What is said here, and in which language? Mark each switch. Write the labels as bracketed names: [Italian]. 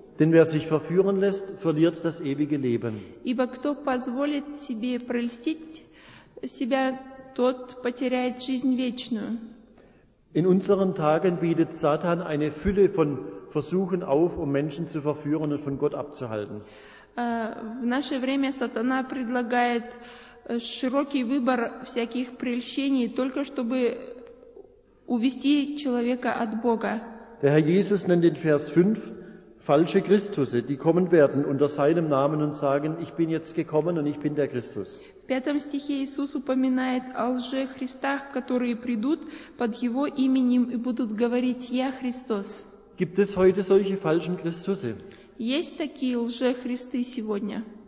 [German] Denn wer sich verführen lässt, verliert das ewige Leben. [Russian] Ибо кто позволит себе прельстить себя, тот потеряет жизнь вечную. [German] In unseren Tagen bietet Satan eine Fülle von Versuchen auf, um Menschen zu verführen und von Gott abzuhalten. [Russian] В наше время Сатана предлагает широкий выбор всяких прельщений, только чтобы увести человека от Бога. [German] Der Herr Jesus nennt in Vers 5 falsche Christusse, die kommen werden unter seinem Namen und sagen, ich bin jetzt gekommen und ich bin der Christus. [Russian] В пятом стихе Иисус упоминает о лжехристах, которые придут под Его именем и будут говорить «Я Христос». [German] Gibt es heute solche falschen Christusse? [Russian] Есть такие лжехристы сегодня?